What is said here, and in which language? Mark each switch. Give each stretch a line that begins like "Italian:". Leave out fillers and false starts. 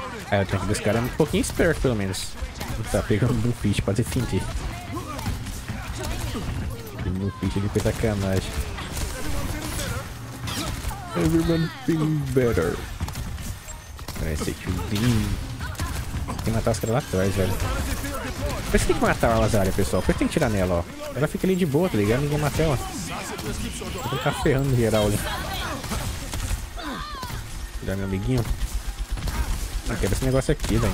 Portuguese: Ah, eu tenho que ver esse cara um pouquinho esperto, pelo menos. Tá pegando um fish pra defender. Tem um fish ali pra sacanagem.
English: Everyone feeling better.
Portuguese: Parece que o Dean. Tem que matar os caras lá atrás, velho. Por isso que tem que matar a Lazaria, pessoal. Por isso que tem que tirar nela, ó. Ela fica ali de boa, tá ligado? Ninguém mata ela. Vou ficar ferrando geral ali. Tirar meu amiguinho. Ah, quebra esse negócio aqui, velho.